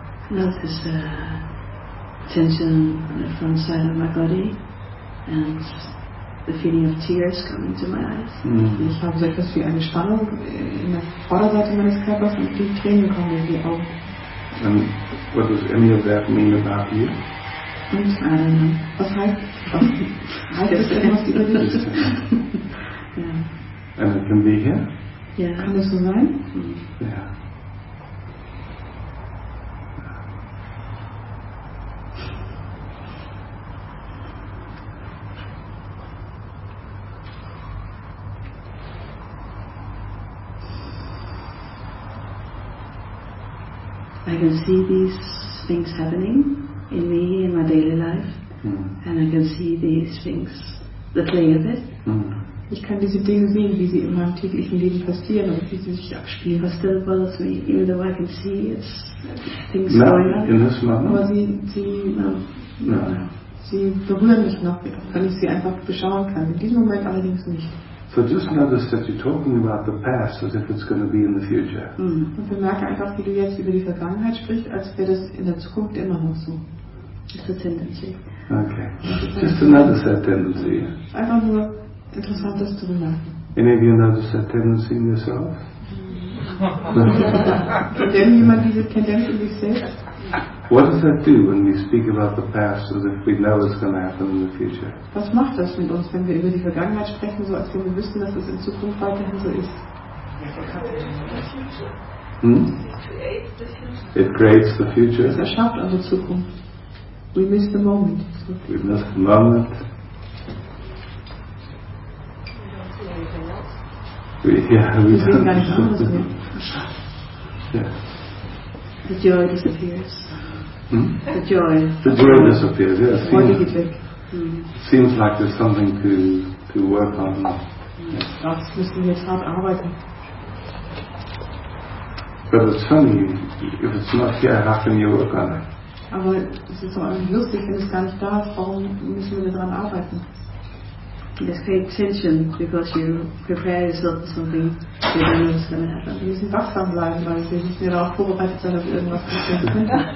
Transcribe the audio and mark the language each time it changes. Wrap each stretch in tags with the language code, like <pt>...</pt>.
<en>Notice tension from the side of my body and the feeling of tears coming to my eyes. Mm.</en> <de>Ich habe so etwas wie eine Spannung in der Vorderseite meines Körpers und die Tränen kommen mir in die Augen.</de> <en>And what does any of that mean about you?</en> <de>Was heißt das?</de> <en>And it can be here?</en> <de>Yeah. Kann das so sein?</de> <en>Yeah. I can see these things happening in me, in my daily life, and I can see these things, the play of it. Mm.</en> <de>Ich kann diese Dinge sehen, wie sie in meinem täglichen Leben passieren und wie sie sich abspielen.</de> <en>But still bothers me, even though I can see it's things going on. In this moment?</en> <de>Aber sie berühren mich noch, wenn ich sie einfach beschauen kann. In diesem Moment allerdings nicht.</de> <en>So just notice that you're talking about the past as if it's going to be in the future. Mm.</en> <de>Und bemerke einfach, wie du jetzt über die Vergangenheit sprichst, als wäre das in der Zukunft immer noch so.</de> <en>It's a tendency. Okay. Just to notice that tendency.</en> <de>Einfach nur interessant, das zu bemerken.</de> <en>Any of you notice that tendency in yourself?</en> <de>Denn jemand diese Tendenz in sich selbst?</de> <en>What does that do when we speak about the past as if we know it's going to happen in the future?</en> <de>Was macht das mit uns, wenn wir über die Vergangenheit sprechen, so als wenn wir wüssten, dass es in Zukunft weiterhin so ist?</de> <en>It creates the future.</en> <de>Es erschafft also Zukunft.</de> <en>We miss the moment. We miss the moment. We see anything else. Yeah, we don't. The joy disappears. The joy disappears, yes. Yeah, seems like there's something to work on.</en> <de>Das müssen wir jetzt hart arbeiten.</de> <en>But it's funny, if it's not here, how can you work on it?</en> <de>Aber es ist so lustig, wenn es gar nicht da ist, warum müssen wir daran arbeiten?</de> <en>There's great tension, because you prepare yourself for something, you don't know what's going to happen.</en> <de>Wir müssen wachsam bleiben, weil wir müssen ja darauf vorbereitet sein, dass irgendwas passieren könnte.</de>